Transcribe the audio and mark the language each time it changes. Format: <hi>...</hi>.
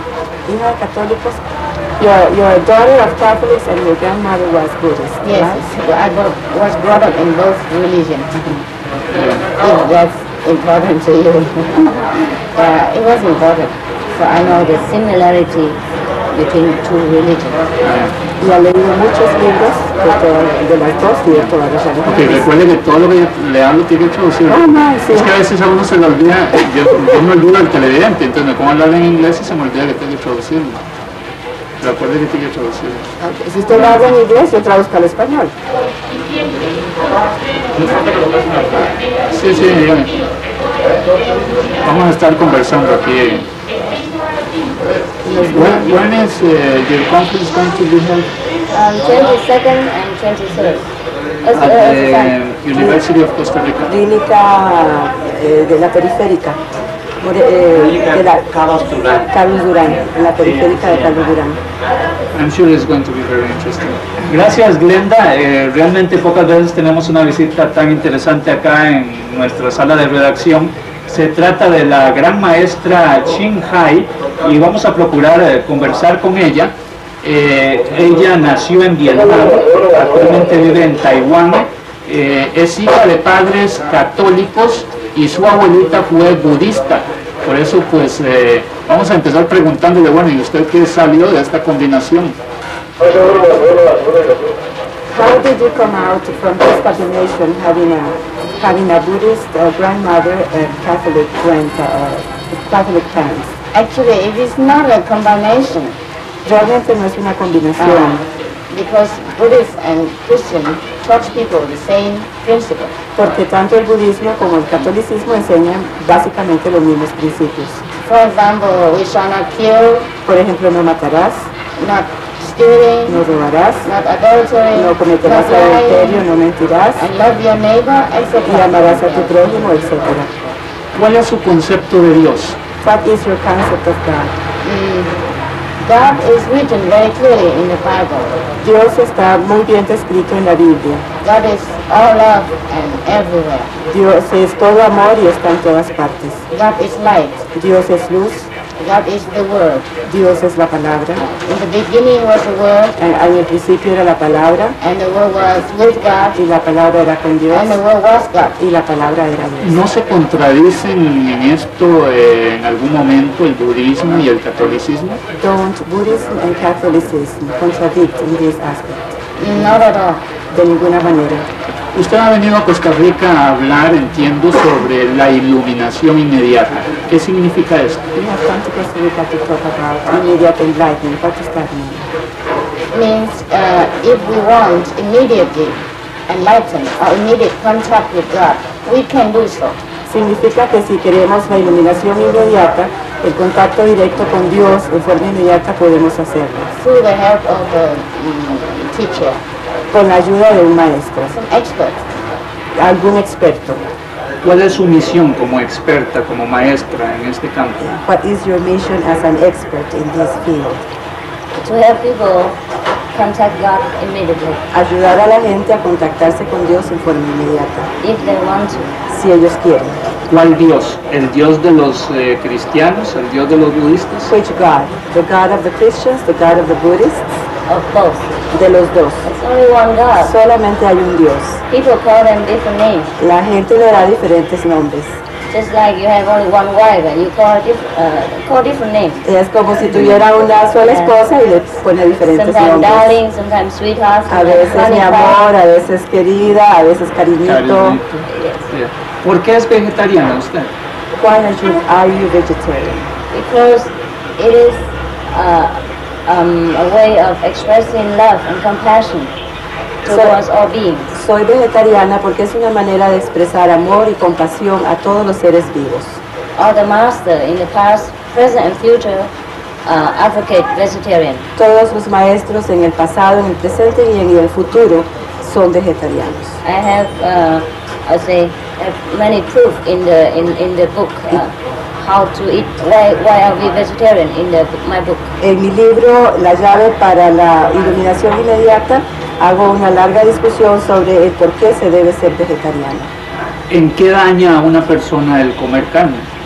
<en>Your daughter of Catholics and your grandmother was Buddhist. Yes, right? I was brought up in both religions. That's important to you. it was important, so I know the similarity between two religions.</en> <es>Yo leído muchos libros de las dos y de todas las religiones. Okay, recuerden que todo lo que le hablo tiene traducción. Oh, no, sí. Es que a veces a uno se le olvida, yo me olvido al televidente, entonces como hablar en inglés y se me olvida que tengo traducción. Recuerden que tiene traducción.</es> <en>Okay.</en> <es>Si usted habla en inglés, yo traduzco al español. Sí, sí, bien. Vamos a estar conversando aquí.</es> <en>When is your conference going to be held? 22nd and 23rd. At the University of Costa Rica.</en> <es>Clínica de la Periférica. De la Carlos Durán, en la periférica de Carlos Durán.</es> <en>I'm sure it's going to be very interesting.</en> <es>Gracias, Glenda. Realmente pocas veces tenemos una visita tan interesante acá en nuestra sala de redacción. Se trata de la gran maestra Ching Hai y vamos a procurar conversar con ella. Ella nació en Vietnam, actualmente vive en Taiwán. Es hija de padres católicos y su abuelita fue budista. Por eso, pues, vamos a empezar preguntándole, bueno, ¿y usted qué salió de esta combinación?</es> <en>How did you come out from this combination, having a Buddhist grandmother and Catholic grandpa, Catholic parents? Actually, it is not a combination.</en> <es>Realmente no es una combinación.</es> <en>Because Buddhist and Christian taught people the same principle.</en> <es>Porque tanto el budismo como el catolicismo enseñan básicamente los mismos principios.</es> <en>For example, we shall not kill.</en> <es>Por ejemplo, no matarás.</es> <en>Not stealing.</en> <es>No robarás.</es> <en>Not adultery.</en> <es>No cometerás adulterio. No mentirás.</es> <en>And love your neighbor, etc.</en> <es>Y amarás a tu prójimo, etc. ¿Cuál es su concepto de Dios?</es> <en>What is your concept of God? God is written very clearly in the Bible.</en> <es>Dios está muy bien descrito en la Biblia.</es> <en>God is all love and everywhere.</en> <es>Dios es todo amor y está en todas partes.</es> <en>God is light.</en> <es>Dios es luz.</es> <en>God is the word.</en> <es>Dios es la palabra.</es> <en>In the beginning was the word.</en> <es>En el principio era la palabra.</es> <en>And the word was with God.</en> <es>Y la palabra era con Dios.</es> <en>And the word was God.</en> <es>Y la palabra era Dios. ¿No se contradicen en esto en algún momento el budismo y el catolicismo?</es> <en>Don't Buddhism and Catholicism contradict in this aspect? Not at all.</en> <es>De ninguna manera. Usted ha venido a Costa Rica a hablar, entiendo, sobre la iluminación inmediata. ¿Qué significa esto?</es> <en>We have come to Costa Rica to talk about immediate enlightenment. What does that mean? Means if we want immediately enlightenment or immediate contact with God, we can do so.</en> <es>Significa que si queremos la iluminación inmediata, el contacto directo con Dios en forma inmediata, podemos hacerlo.</es> <en>Through the help of the teacher.</en> <es>Con la ayuda de un maestro. Un expert. Algún experto. ¿Cuál es su misión como experta, como maestra en este campo?</es> <en>What is your mission as an expert in this field? To help people come to contact God immediately.</en> <es>Ayudar a la gente a contactarse con Dios en forma inmediata.</es> <en>If they want to.</en> <es>Si ellos quieren. ¿Cuál Dios? ¿El Dios de los cristianos? ¿El Dios de los budistas?</es> <en>Which God? The God of the Christians, the God of the Buddhists? Of both.</en> <es>De los dos.</es> <en>It's only one God.</en> <es>Solamente hay un Dios.</es> <en>People call them different names.</en> <es>La gente le da diferentes nombres.</es> <en>Just like you have only one wife and you call different names.</en> <es>Es como si tuviera una sola esposa y le pone diferentes</es> <en>sometimes</en> <es>nombres.</es> <en>Sometimes darling, sometimes sweetheart.</en> <es>A veces mi amor, a veces querida, a veces cariñito. Cariñito.</es> <en>Yes.</en> <es>Yeah. ¿Por qué es vegetariana usted?</es> <en>Why are you vegetarian? Because it is a way of expressing love and compassion towards all beings.</en> <es>Soy vegetariana porque es una manera de expresar amor y compasión a todos los seres vivos.</es> <en>All the masters in the past, present and future advocate vegetarian.</en> <es>Todos los maestros en el pasado, en el presente y en el futuro son vegetarianos.</es> <en>I have many proof in the book how to eat, why are we vegetarian in the my book.</en> <es>En mi libro La llave para la iluminación inmediata hago una larga discusión sobre el por qué se debe ser vegetariano. ¿En qué daña a una persona el comer carne?</es>